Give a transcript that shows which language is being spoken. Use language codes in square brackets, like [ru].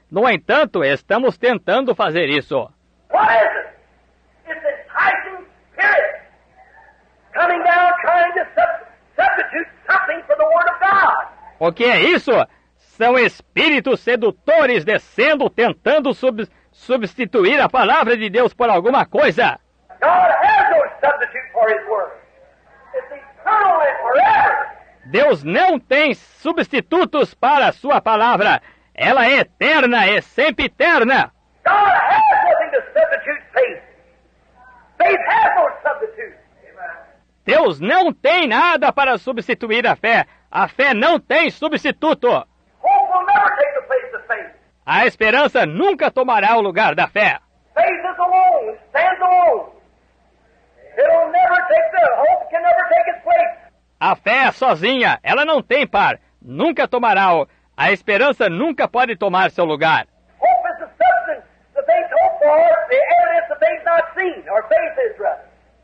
[pt] No entanto, estamos tentando fazer isso. [en] What is it? It's the enticing spirit coming down trying to substitute something for the word of God. [pt] O que é isso? São espíritos sedutores descendo, tentando substituir a palavra de Deus por alguma coisa. [en] God has no substitute for his word. It's eternal and forever. [pt] Deus não tem substitutos para a sua palavra. Ela é eterna, é sempre eterna. [en] God has nothing to substitute faith. Faith has no substitute. [pt] Deus não tem nada para substituir a fé. A fé não tem substituto. [en] Hope will never take the place of faith. [pt] A esperança nunca tomará o lugar da fé. [en] Faith is alone, stands alone. It'll never take the hope can never take its place. [pt] A fé é sozinha, ela não tem par. Nunca tomará o. A esperança nunca pode tomar seu lugar. [en] Hope is the substance that they hope for, the evidence that they've not seen, or faith is rather.